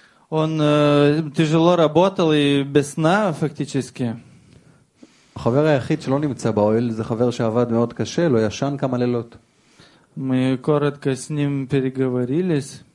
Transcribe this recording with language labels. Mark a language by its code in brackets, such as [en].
[ru] Он тяжело работал и без сна фактически. [he] חבר היחיד שלא נמצא באוהל, זה חבר שעבד מאוד קשה, לא ישן כמה לילות. [ru] Мы коротко с ним переговорились.